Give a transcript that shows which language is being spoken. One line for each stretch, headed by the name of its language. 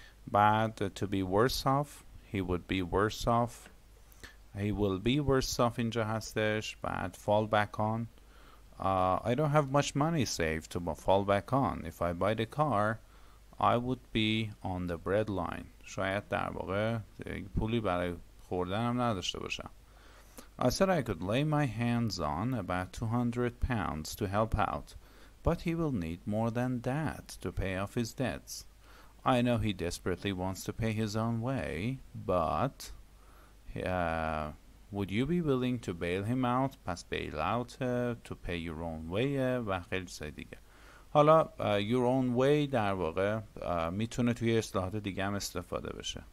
English: bad to be worse off. he would be worse off. he will be worse off اینجا هستش. bad fall back on. I don't have much money saved to fall back on. If I buy the car, I would be on the bread line.
Persian: شاید در واقع پولی برای خوردن هم نداشته باشم.
English: I said I could lay my hands on about 200 pounds to help out, but he will need more than that to pay off his debts. I know he desperately wants to pay his own way, but would you be willing to bail him out? پس bail out to pay your own way
Persian: و خیلی چیزای دیگه. حالا
English: your own way
Persian: در واقع میتونه توی اصطلاحات دیگه هم استفاده بشه.